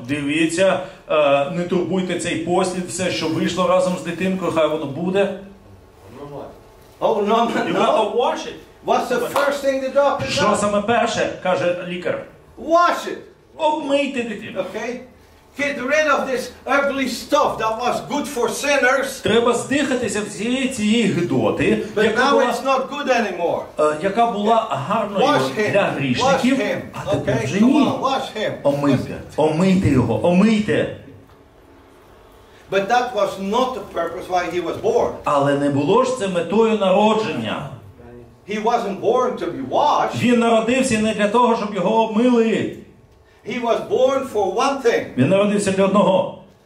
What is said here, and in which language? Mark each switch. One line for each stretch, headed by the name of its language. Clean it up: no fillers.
Ukrainian: Дивіться, не турбуйте цей послід, все, що вийшло разом з дитинкою, хай воно буде.
English: Oh no, no. You gotta wash it. What's the first thing the doctor does?
Ukrainian: Що саме перше, каже лікар.
English: Wash it.
Ukrainian: Обмийте дитину.
English: Okay. Get rid of this ugly stuff that was good for sinners.
Ukrainian: Треба здихатися всієї цієї гидоти, яка була,
English: it's not good anymore.
Ukrainian: Яка була гарною
English: wash
Ukrainian: для грішників.
English: Wash him. Okay. Wash him.
Ukrainian: Омийте його. Омийте.
English: But that was not the purpose why he was born.
Ukrainian: Але не було ж це метою народження.
English: He wasn't born to be washed.
Ukrainian: Він народився не для того, щоб його обмили.
English: He was born for one thing.
Ukrainian: Він народився для одного.